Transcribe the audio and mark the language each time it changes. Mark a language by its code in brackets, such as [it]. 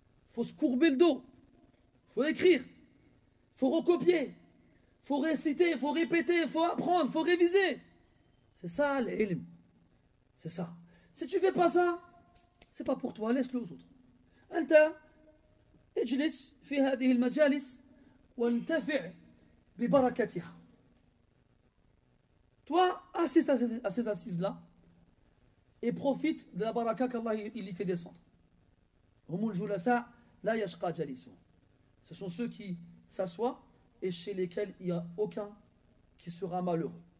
[fr] Faut se courber le dos. Faut écrire. Faut recopier. Faut réciter. Faut répéter. Faut apprendre. Faut réviser. C'est ça, l'ilm. C'est ça. Si tu fais pas ça, c'est pas pour toi. Laisse-le aux autres. Alta. [ar] اجلس في هذه المجالس وانتفع ببركتها. [fr] Toi, assiste à ces assises-là et profite de la baraka qu'Allah il y fait descendre. [ar] هم الجلساء لا يشقى جالسون. [fr] Ce sont ceux qui s'assoient et chez lesquels il n'y a aucun qui sera malheureux.